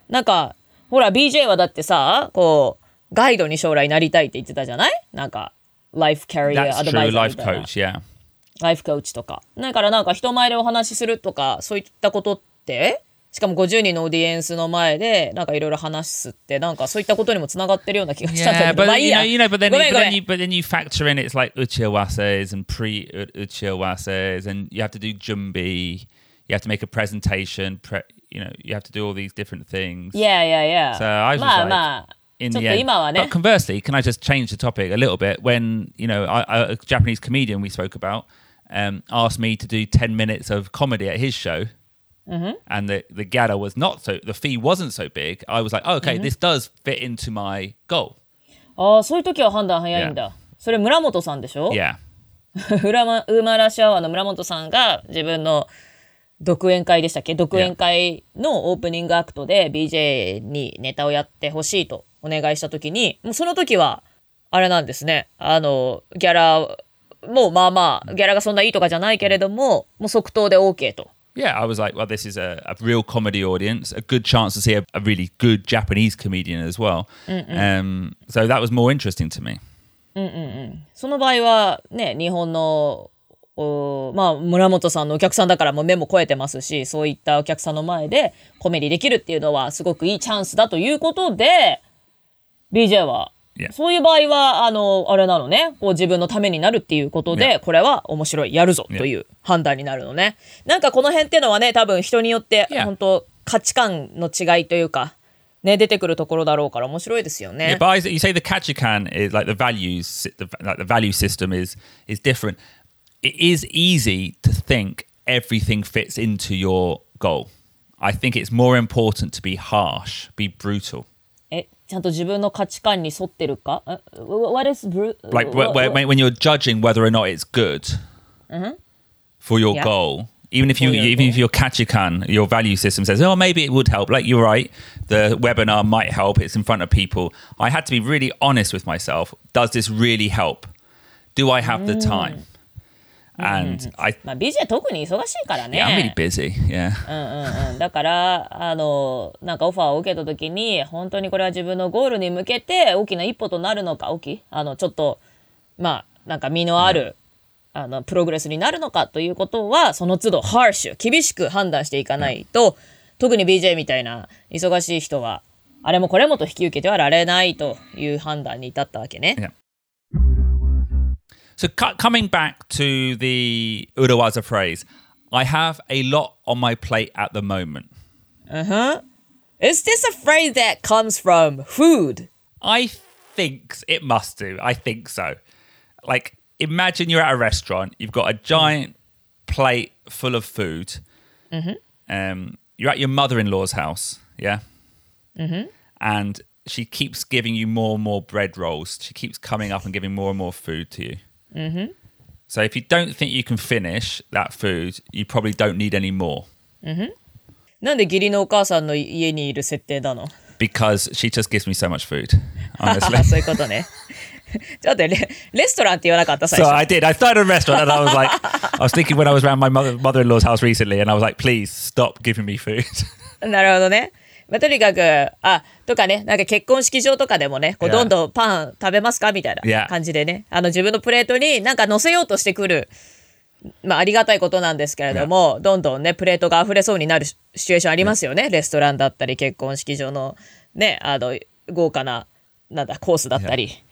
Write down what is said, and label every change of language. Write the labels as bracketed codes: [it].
[ja] なんか、ほら、BJ はだってさ、こう、ガイドに将来なりたいって言ってたじゃない? [en] なんか、life career advisor That's true, life coach, yeah. Life coach とか。 [ja] だからなんか人前でお話しするとか、そういったことって、しかも50人のオーディエンスの前で、なんかいろいろ話すって、なんかそういったことにもつながってるような気がしたんだけど、 [en] yeah, but, [ja] まあいいや。 [en] You know, but, then, but, then you, but then you factor in, it's like 打ち合わせ and pre-打ち合わせ and you have to do 準備、you have to make a presentation, You know, you have to do all these different things. Yeah, yeah, yeah. So I was like, in the end. But conversely, can I just change the topic a little bit? When, you know, a Japanese comedian we spoke about asked me to do 10 minutes of comedy at his show, and the gyada was not so, the fee wasn't so big, I was like, oh, okay, this does fit into my goal. [ja] Oh, そういう時は判断早いんだ。それ村本さんでしょ? [en] Yeah. [ja] ウーマラシアワーの村本さんが自分の独演会でしたっけ独演会のオープニングアクトで BJ にネタをやってほしいとお願いしたときに、もうその時は、あれなんですね。あの、ギャラもまあまあ、ギャラがそんないいとかじゃないけれども、もう即答で OK と。 [en] Yeah, I was like, well, this is a real comedy audience. A good chance to see a really good Japanese comedian as well. So that was more interesting to me. [ja] その場合はね、日本のまあ、村本さんのお客さんだからもう目も肥えてますしそういったお客さんの前でコメディできるっていうのはすごくいいチャンスだということで BJ は、 [en] yeah. [ja] そういう場合はあれなのねこう自分のためになるっていうことで、yeah. これは面白いやるぞという判断になるのね、yeah. なんかこの辺っていうのはね多分人によって本当価値観の違いというか、ね、出てくるところだろうから面白いですよね [en] yeah, but you say the 価値観 is like the values like the value system is differentIt is easy to think everything fits into your goal. I think it's more important to be harsh, be brutal. [ja] ちゃんと自分の価値観に沿ってるか? [en] What is brutal? Like when you're judging whether or not it's good for your goal, even if your 価値観, your value system says, oh, maybe it would help. Like you're right, the webinar might help. It's in front of people. I had to be really honest with myself. Does this really help? Do I have the time? And I, [ja] まあ、BJ 特に忙しいからね。 [en] Yeah, I'm really busy, yeah. [ja] だから、なんかオファーを受けた時に、本当にこれは自分のゴールに向けて大きな一歩となるのか、大きい、ちょっと、まあ、なんか身のある、yeah. プログレスになるのかということは、その都度、ハーシュ、厳しく判断していかないと、yeah. 特に BJ みたいな忙しい人は、あれもこれもと引き受けてはられないという判断に至ったわけね。 [en] Yeah. So coming back to the urawaza phrase, I have a lot on my plate at the moment. Is this a phrase that comes from food? I think it must do. I think so. like, imagine you're at a restaurant, you've got a giant plate full of food. Mm-hmm. You're at your mother-in-law's house, yeah? Mm-hmm. And she keeps giving you more and more bread rolls. She keeps coming up and giving more and more food to you. Mm-hmm. So if you don't think you can finish that food, you probably don't need any more. Mm-hmm. [ja] なんで義理のお母さんの家にいる設定なの? [en] Because she just gives me so much food, honestly. [ja] そういうことね。ちょっと レストランって言わなかった最初。 [en] So I did. I started a restaurant and I was like, I was thinking when I was around my mother-in-law's house recently and I was like, please stop giving me food. [ja] なるほどね。まあ、とにかく、あ、とかね、なんか結婚式場とかでもね、こうどんどんパン食べますかみたいな感じでね、 [en] yeah. [ja] あの自分のプレートになんか乗せようとしてくる、まあ、ありがたいことなんですけれども、yeah. どんどんね、プレートが溢れそうになるシチュエーションありますよね。Yeah. レストランだったり、結婚式場のね、あの、豪華な、なんだ、コースだったり、yeah.